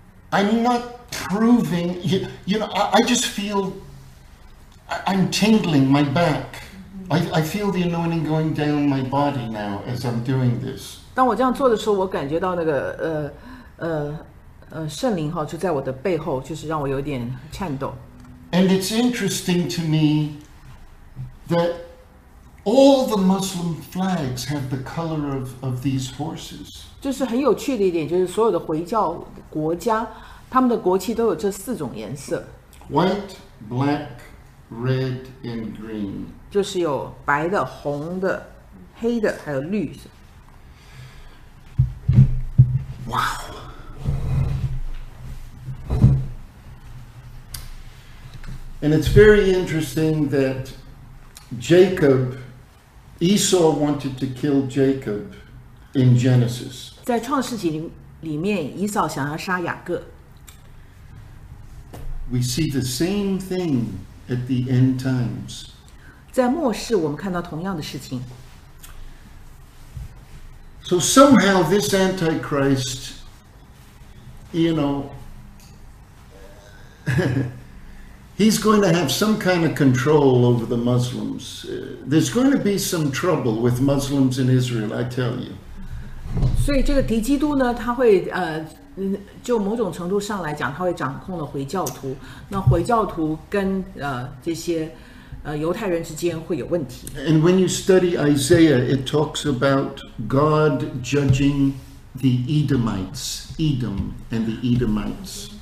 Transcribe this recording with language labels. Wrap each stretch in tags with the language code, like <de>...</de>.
<en>I'm not proving, I just feel, I'm tingling my back. I feel the anointing going down my body now as I'm doing this.</en> <zh>当我这样做的时候，我感觉到那个圣灵就在我的背后，就是让我有点颤抖。</zh> <en>And it's interesting to me that All the Muslim flags have the color of these horses.</en> <zh>就是很有趣的一点，就是所有的回教国家，他们的国旗都有这四种颜色。</zh> <en>White, black, red, and green.</en> <zh>就是有白的、红的、黑的，还有绿色。</zh> <en>Wow. And it's very interesting that Jacob, Esau wanted to kill Jacob in Genesis.</en> <zh>在创世纪里面，以扫想要杀雅各。</zh> <en>We see the same thing at the end times.</en> <zh>在末世，我们看到同样的事情。</zh> <en>So somehow this Antichrist, you know, he's going to have some kind of control over the Muslims. There's going to be some trouble with Muslims in Israel, I tell you.</en> <zh>所以这个敌基督呢，他会就某种程度上来讲，他会掌控了回教徒。那回教徒跟这些犹太人之间会有问题。</zh> <en>And when you study Isaiah, it talks about God judging the Edomites, Edom and the Edomites.</en>